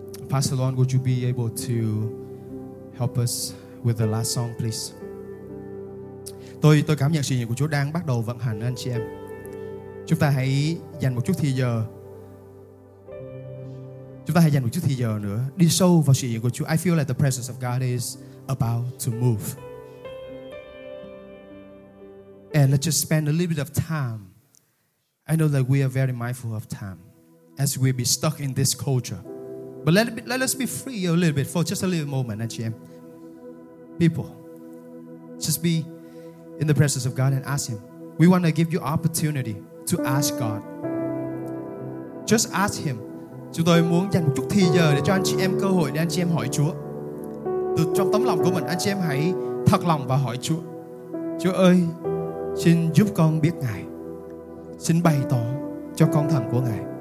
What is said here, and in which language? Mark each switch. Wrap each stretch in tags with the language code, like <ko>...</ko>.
<en>Pastor Lon, would you be able to help us with the last song, please?</en> <vi>Tôi cảm nhận sự hiện diện của Chúa đang bắt đầu vận hành, anh chị em. Chúng ta hãy dành một chút thời giờ. Chúng ta hãy dành một chút thời giờ nữa đi sâu vào sự hiện của Chúa.</vi> <en>I feel like the presence of God is about to move. And let's just spend a little bit of time. I know that we are very mindful of time as we be stuck in this culture. But let us be free a little bit for just a little moment,</en> <vi>anh chị em.</vi> <en>People, just be in the presence of God and ask Him. We want to give you opportunity to ask God. Just ask Him.</en> <vi>Chúng tôi muốn dành một chút thời giờ để cho anh chị em cơ hội để anh chị em hỏi Chúa. Từ trong tấm lòng của mình, anh chị em hãy thật lòng và hỏi Chúa. Chúa ơi, xin giúp con biết Ngài. Xin bày tỏ cho con thần của Ngài.</vi>